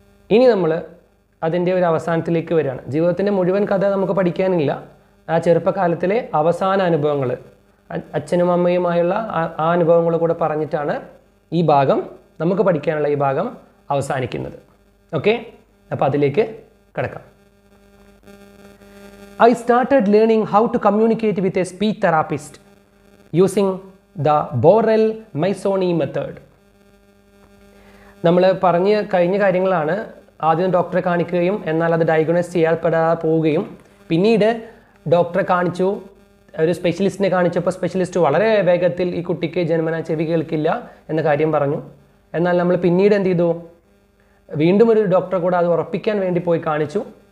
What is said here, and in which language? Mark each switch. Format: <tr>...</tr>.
<ml>ഇനി നമ്മൾ അതിൻ്റെ ഒരു അവസാനത്തിലേക്ക് വരികയാണ്. ജീവിതത്തിൻ്റെ മുഴുവൻ കഥ നമുക്ക് പഠിക്കാനില്ല. ആ ചെറുപ്പകാലത്തിലെ അവസാന അനുഭവങ്ങൾ, അച്ഛനും അമ്മയുമായുള്ള ആ അനുഭവങ്ങൾ കൂടെ പറഞ്ഞിട്ടാണ് ഈ ഭാഗം, നമുക്ക് പഠിക്കാനുള്ള ഈ ഭാഗം അവസാനിക്കുന്നത്. ഓക്കെ, അപ്പോൾ അതിലേക്ക് കടക്കാം.</ml> <en>I started learning how to communicate with a speech therapist using the Borel-Meissoni method.</en> <ml>നമ്മൾ പറഞ്ഞു കഴിഞ്ഞ കാര്യങ്ങളാണ്. ആദ്യം ഡോക്ടറെ കാണിക്കുകയും എന്നാൽ അത് ഡയഗ്നോസ് ചെയ്യപ്പെടാതെ പോവുകയും പിന്നീട് ഡോക്ടറെ കാണിച്ചു, ഒരു സ്പെഷ്യലിസ്റ്റിനെ കാണിച്ചപ്പോൾ സ്പെഷ്യലിസ്റ്റ് വളരെ വേഗത്തിൽ ഈ കുട്ടിക്ക് ജന്മനാ ചെവി കേൾക്കില്ല എന്ന കാര്യം പറഞ്ഞു. എന്നാൽ നമ്മൾ പിന്നീട് എന്ത് ചെയ്തു? വീണ്ടും ഒരു ഡോക്ടറെ കൂടെ അത് ഉറപ്പിക്കാൻ വേണ്ടി പോയി കാണിച്ചു.</ml>